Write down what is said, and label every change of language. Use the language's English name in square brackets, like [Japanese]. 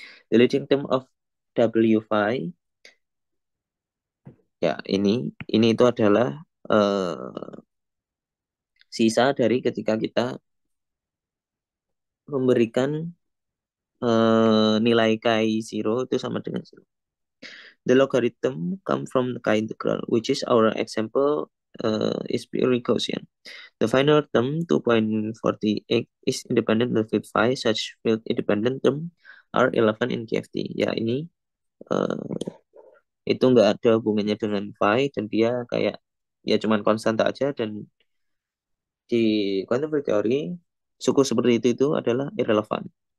[English] The leading term of W phi, [Indonesian] ya ini itu adalah sisa dari ketika kita memberikan nilai chi 0 itu sama dengan 0. [English] The logarithm come from the chi integral, which is our example. Is purely Gaussian. The final term 2.48 is independent of field phi. Such field independent term are irrelevant in KFT. [Indonesian] Ya ini itu nggak ada hubungannya dengan phi, dan dia kayak ya cuman konstanta aja, dan di quantum field theory suku seperti itu adalah irrelevant.